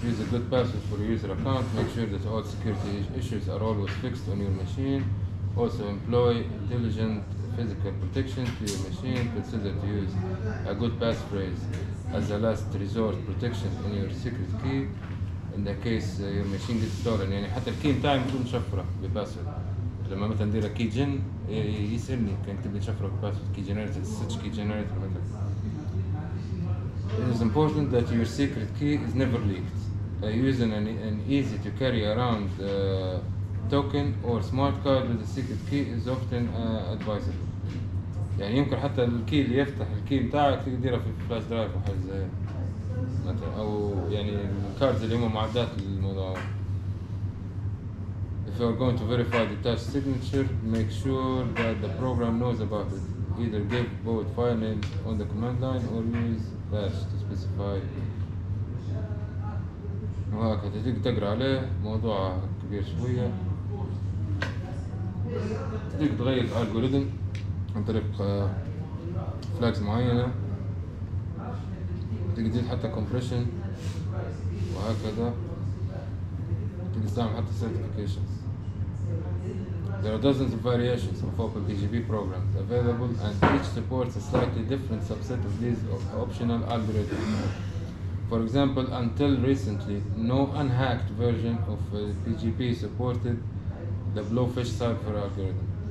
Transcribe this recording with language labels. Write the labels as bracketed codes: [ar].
[en] good password for user account, make sure that all security issues are always fixed on your machine. Also employ intelligent physical protection to your machine. Consider to use a good passphrase as a last resort protection in your secret key in the case your machine gets stolen. [ar] يعني حتى الكي بتاعي يكون شفرة بباسورد. لما مثلا دير كي جن يسألني كان يكتب لي شفرة بباسورد كي جنريتر ستش كي جنريتر مثلا. [en] It is important that your secret key is never leaked. Using an easy to carry around token or smart card with a secret key is often advisable. [ar] يعني يمكن حتى الكي اللي يفتح الكي بتاعك تقدره في فلاش درايف او حاجه زي مثلا او يعني الكارد اللي هم معدات للموضوع. [en] If you're going to verify the touch signature, make sure that the program knows about it. Either give both file names on the command line or use bash to specify. [ar] وهاك تجيك تقرا عليه موضوع كبير شويه تجيك تغير الالجوريثم عن طريق فلاكس معينه تجيك تزيد حتى كومبريشن وهكذا تجيك تستعمل حتى سيرتيفيكيشنز. [en] There are dozens of variations of OpenBGP programs available and each supports a slightly different subset of these optional algorithms. For example, until recently, no unhacked version of PGP supported the Blowfish cipher algorithm.